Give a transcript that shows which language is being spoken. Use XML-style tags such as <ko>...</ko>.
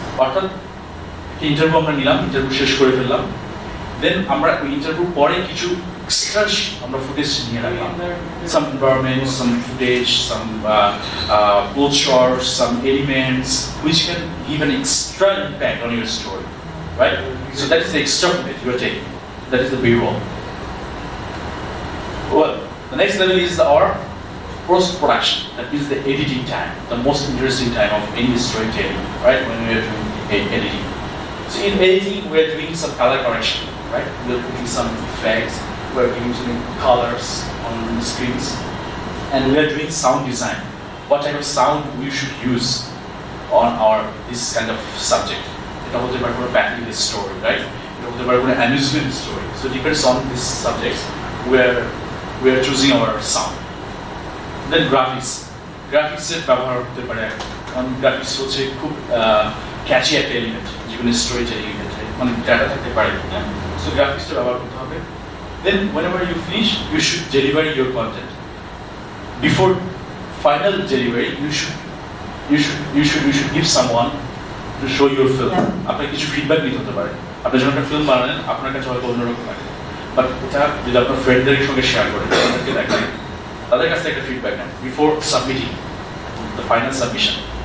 <bn>অর্থাৎ একটা ইন্টারভিউ আমরা নিলাম ইন্টারভিউ শেষ করে ফেললাম দেন আমরা ওই ইন্টারভিউ পরে কিছু এক্সট্রা আমরা ফুটেজ নিয়ে রাখলাম</bn> <en>Some environment some footage some cloth shorts some elements which can give an extra impact on your story right so that is the extra footage you are taking that is the B roll Well, the next level is our post-production, that is the editing time, the most interesting time of any storytelling, right, when we are doing editing. So in editing, we are doing some color correction, right, we are putting some effects, we are giving some colors on the screens, and we are doing sound design, what type of sound we should use on our this kind of subject. It also depends on battling the story, right, it also depends on the amusement story. So it depends on this subject, where we are choosing our sound. Then graphics. Graphics are</en> <bn>ব্যবহার করতে পারে কারণ graphics হচ্ছে খুব ক্যাচি একটা element যেগুলো storage element মানে data থাকতে পারে সো গ্রাফিক্সটা ব্যবহার করতে হবে</bn> <en>then whenever you finish you should delivery your content before final delivery you should give someone to show your film</en> <bn>আপনার কিছু ফিডব্যাক নিতে হতে পারে আপনি যখন একটা ফিল্ম বানালেন আপনার কাছে হয়তো অন্যরকম লাগে বাট ওটা যদি আপনার ফ্রেন্ডদের সঙ্গে শেয়ার করেন তাদেরকে দেখেন তাদের কাছ থেকে একটা ফিডব্যাক নেন</bn> <en>before submitting the final submission</en>